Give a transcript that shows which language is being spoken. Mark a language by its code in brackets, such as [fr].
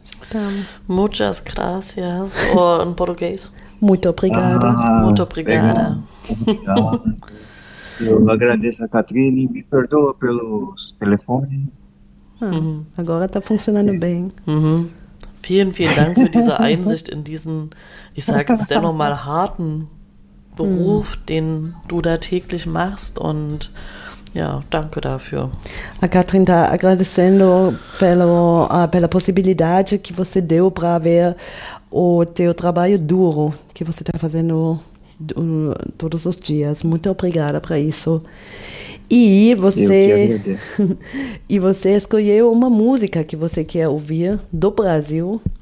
[pt] tá. [es] Muchas gracias. [pt] Ou em português? Muito obrigada. Muito obrigada. Eu agradeço a Catrine, me perdoa pelos telefones. Agora está funcionando bem. [de] Vielen, vielen Dank für diese Einsicht in diesen, ich sage jetzt dennoch mal, harten Beruf, den du da täglich machst. Und ja, danke dafür. [pt] A Catrine está agradecendo pela possibilidade que você deu para ver o teu trabalho duro que você está fazendo todos os dias. Muito obrigada por isso. E você escolheu uma música que você quer ouvir do Brasil.